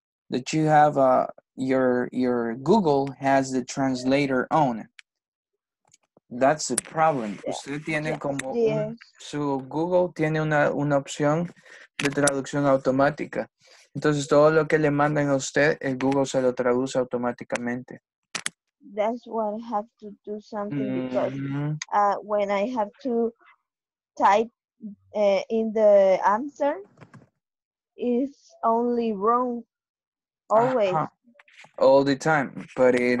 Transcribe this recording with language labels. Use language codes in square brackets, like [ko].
[en] That you have your Google has the translator on. That's the problem. Yeah. [es] Usted tiene como su Google tiene una opción de traducción automática. Entonces, todo lo que le mandan a usted, el Google se lo traduce automáticamente. [en] That's why I have to do something because when I have to type in the answer, it's only wrong, always. Uh-huh. All the time, but it